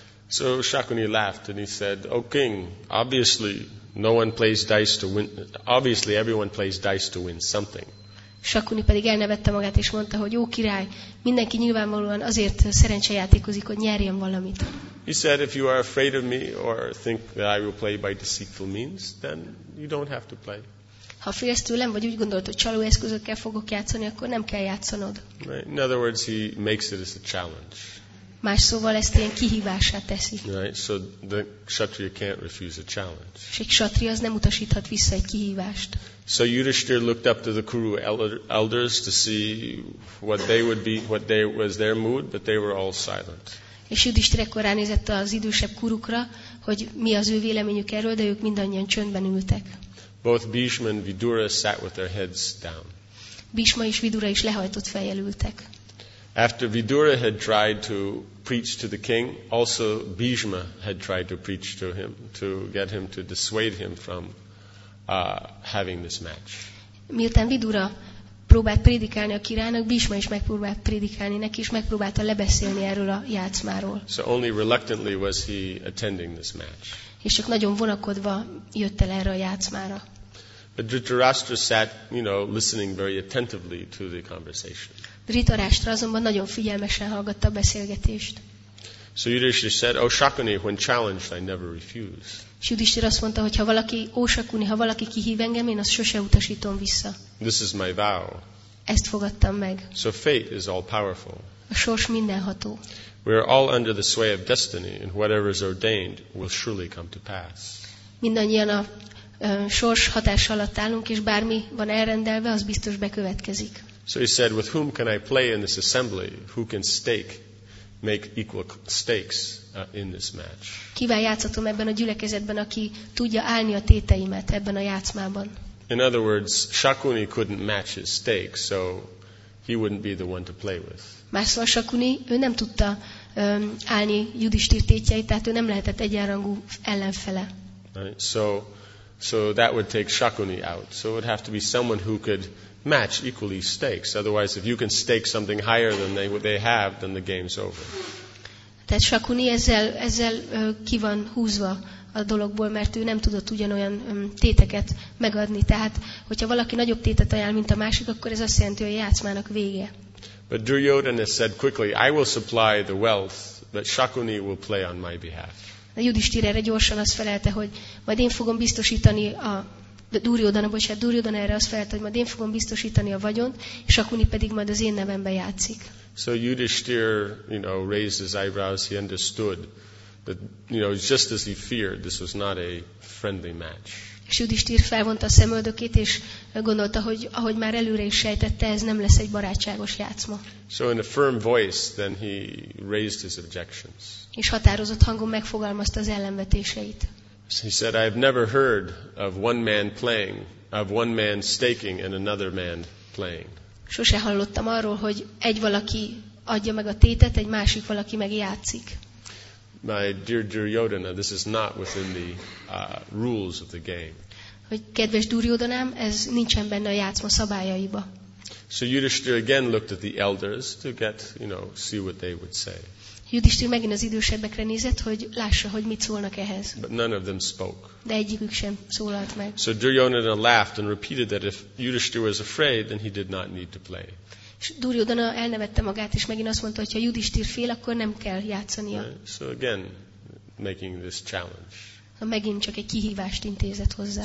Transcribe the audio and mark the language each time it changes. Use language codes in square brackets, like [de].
[en] So Shakuni laughed and he said, "O king, obviously no one plays dice to win. Obviously everyone plays dice to win something." [hu] Shakuni pedig elnevette magát és mondta, hogy ó király, mindenki nyilvánvalóan azért szerencsejátékozik, hogy nyerjen valamit. [en] He said, "If you are afraid of me or think that I will play by deceitful means, then you don't have to play." [hu] Ha félsz tőlem, vagy úgy gondolod, hogy csaló eszközökkel fogok játszani, akkor nem kell játszanod. [en] Right. In other words, he makes it as a challenge. [hu] Más szóval ezt ilyen kihívássá teszi. [en] Right. So the kshatriya can't refuse a challenge. [hu] És egy kshatriya az nem utasíthat vissza egy kihívást. [en] So Yudhishthira looked up to the Kuru elders to see what they would be, what they was their mood, but they were all silent. [hu] És Yudhishthira ekkor ránézett az idősebb kurukra, hogy mi az ő véleményük erről, de ők mindannyian csöndben ültek. [en] Both Bhishma and Vidura sat with their heads down. [hu] Bhishma és Vidura is lehajtott fejjel ültek. [en] After Vidura had tried to preach to the king, also Bhishma had tried to preach to him to get him to dissuade him from having this match. [hu] Miután Vidura próbált prédikálni a királynak, Bhishma is megpróbált prédikálni neki, és megpróbálta lebeszélni erről a játszmáról. [en] So only reluctantly was he attending this match. [hu] És csak nagyon vonakodva jött el erre a játszmára. [en] But Dhritarashtra sat, you know, listening very attentively to the conversation. [hu] Dhritarashtra azonban nagyon figyelmesen hallgatta a beszélgetést. [en] So Yudhishthira said, "O Shakuni, when challenged, I never refuse." [hu] És Yudhishthira azt mondta, hogy ha valaki, ó Shakuni, ha valaki kihív engem, én azt sose utasítom vissza. [en] This is my vow. [hu] Ezt fogadtam meg. [en] So fate is all powerful. [hu] A sors mindenható. [en] We are all under the sway of destiny, and whatever is ordained will surely come to pass. [hu] Mindannyian a sors hatás alatt állunk, és bármi van elrendelve, az biztos bekövetkezik. [en] So he said, "With whom can I play in this assembly? Who can stake make equal stakes in this match. [hu] Kivel játszhatom ebben a gyülekezetben, aki tudja állni a téteimet ebben a játszmában? [en] In other words, Shakuni couldn't match his stakes, so he wouldn't be the one to play with. [hu] Más szóval Shakuni, ő nem tudta állni Yudhisthira tétjeit, tehát ő nem lehetett egyenrangú ellenfele. [en] So that would take Shakuni out. So it would have to be someone who could match equally stakes. Otherwise, if you can stake something higher than they have, then the game's over. [hu] Tehát Shakuni ezzel ki van húzva a dologból, mert ő nem tudott ugyanolyan téteket megadni. Tehát, hogyha valaki nagyobb tétet ajánl, mint a másik, akkor ez azt jelenti, hogy a játszmának vége. [en] But Duryodhana said quickly, I will supply the wealth, but Shakuni will play on my behalf. [hu] A Yudhisthira erre gyorsan azt felelte, hogy majd én fogom biztosítani a Duryodhana erre azt felelte, hogy majd én fogom biztosítani a vagyont, és Shakuni pedig majd az én nevemben játszik. [en] So Yudhisthira, you know, raised his eyebrows. He understood that, you know, just as he feared, this was not a friendly match. [hu] És Yudhisthira felvonta a szemöldökét, és gondolta, hogy ahogy már előre is sejtette, ez nem lesz egy barátságos játszma. [en] So in a firm voice, then he raised his objections. [hu] És határozott hangon megfogalmazta az ellenvetéseit. [en] He said, I have never heard of one man playing, of one man staking and another man playing. [hu] Sose hallottam arról, hogy egy valaki adja meg a tétet, egy másik valaki meg játszik. [en] My dear Duryodhana, this is not within the rules of the game. [hu] Hogy kedves Duryodhanám, ez nincsen benne a játszma szabályaiba. [en] So Yudhisthira again looked at the elders to get, you know, see what they would say. [hu] Yudhisthira megint az idősebbekre nézett, hogy lássa, hogy mit szólnak ehhez. [en] But none of them spoke. [hu] De egyikük sem szólalt meg. [en] So Duryodhana laughed and repeated that if Yudhisthira was afraid, then he did not need to play. [hu] És Duryodhana elnevette magát, és megint azt mondta, hogy ha Yudhisthira fél, akkor nem kell játszania. [en] Right. So again, making this challenge. [hu] A megint csak egy kihívást intézett hozzá.